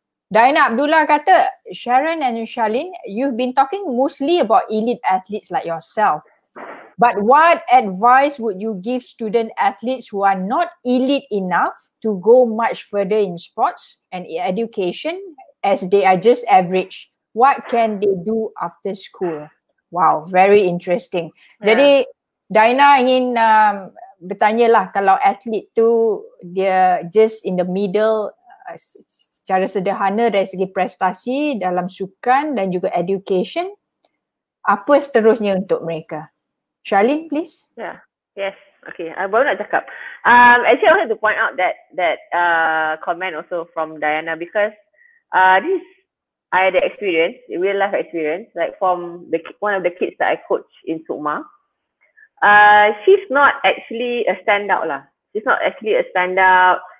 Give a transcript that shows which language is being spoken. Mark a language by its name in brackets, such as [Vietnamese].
[English] Dina Abdullah kata, Sharon and Shalin, you've been talking mostly about elite athletes like yourself. But what advice would you give student athletes who are not elite enough to go much further in sports and education as they are just average? What can they do after school? Wow, very interesting. Yeah. [Malay] Jadi Dina ingin bertanyalah kalau atlet tu dia [English] just in the middle [Malay] secara sederhana dari segi prestasi dalam sukan dan juga education, apa seterusnya untuk mereka? [English] Shalin, please. Yeah. Yes. Okay. I [Malay] baru nak cakap. [English] Actually, I wanted to point out that comment also from Diana, because this I had the experience, the real life experience, like from one of the kids that I coach in Sukma. She's not actually a standout lah. She's not actually a standout.